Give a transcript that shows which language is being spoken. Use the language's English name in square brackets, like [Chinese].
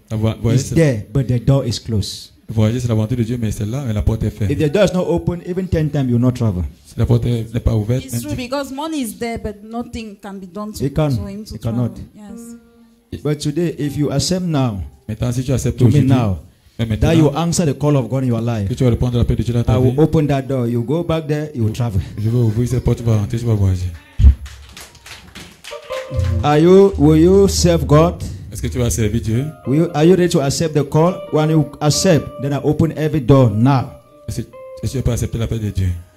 [English] It's there, but the door is closed. If the door is not open, even 10 times, you will not travel. [French] La porte n'est pas ouverte. [English] It's true, because money is there, but nothing can be done to him to travel. It cannot. Yes. But today, if you accept now, [French] si tu [English] to me now, that you answer the call of God in your life, [French] que tu vas répondre à la paix de Dieu dans ta [English] I [French] vie. [English] Will open that door. You go back there, you will travel. [French] Je vais ouvrir cette porte, tu vas rentrer, tu vas voyager. [English] Will you serve God? [French] Est-ce que tu vas servir Dieu? [English] Are you ready to accept the call? When you accept, then I open every door now. [French] Est-ce que tu peux accepter la paix de Dieu?